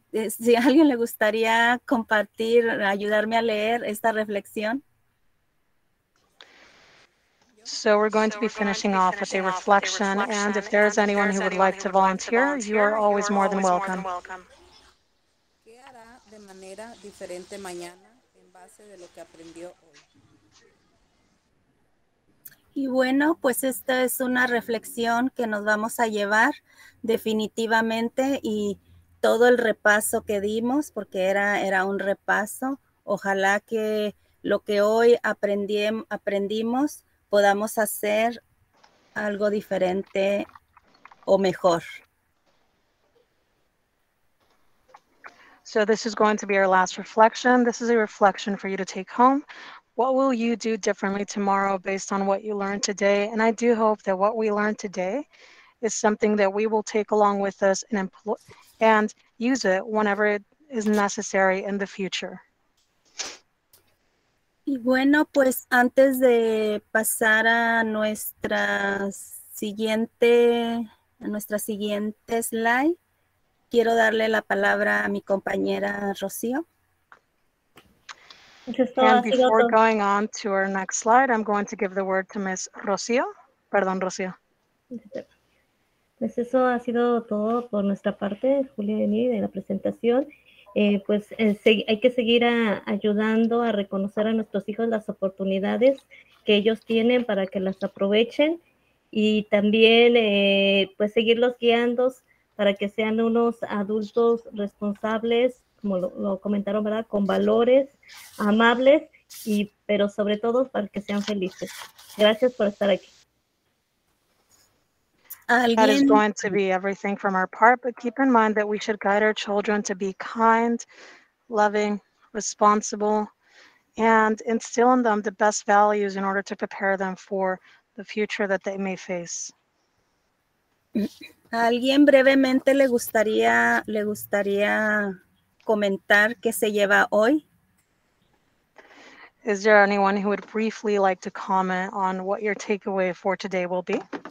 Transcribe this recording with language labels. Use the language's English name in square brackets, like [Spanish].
[Spanish] Si a alguien le gustaría compartir, ayudarme a leer esta reflexión. [English] So we're going to be finishing off with a reflection, and if there is anyone who would like to volunteer, you are always more than welcome. [Spanish] ¿Qué hará de manera diferente mañana en base de lo que aprendió hoy? Y bueno, pues esta es una reflexión que nos vamos a llevar definitivamente, y todo el repaso que dimos, porque era un repaso. Ojalá que lo que hoy aprendimos podamos hacer algo diferente o mejor. [English] So this is going to be our last reflection. This is a reflection for you to take home. What will you do differently tomorrow based on what you learned today? And I do hope that what we learned today is something that we will take along with us and use it whenever it is necessary in the future. [Spanish] Y bueno, pues antes de pasar a nuestra siguiente slide, quiero darle la palabra a mi compañera Rocío. [English] And before going on to our next slide, I'm going to give the word to Ms. [Spanish] Rocío. Perdón, Rocío. Pues eso ha sido todo por nuestra parte, Julia y mí, de la presentación. Hay que seguir ayudando a reconocer a nuestros hijos las oportunidades que ellos tienen para que las aprovechen, y también pues seguirlos guiando para que sean unos adultos responsables, como lo comentaron, ¿verdad?, con valores, amables, pero sobre todo para que sean felices. Gracias por estar aquí. [English] That is going to be everything from our part, but keep in mind that we should guide our children to be kind, loving, responsible, and instill in them the best values in order to prepare them for the future that they may face. [Spanish] ¿Alguien brevemente le gustaría comentar qué se lleva hoy? [English] Is there anyone who would briefly like to comment on what your takeaway for today will be?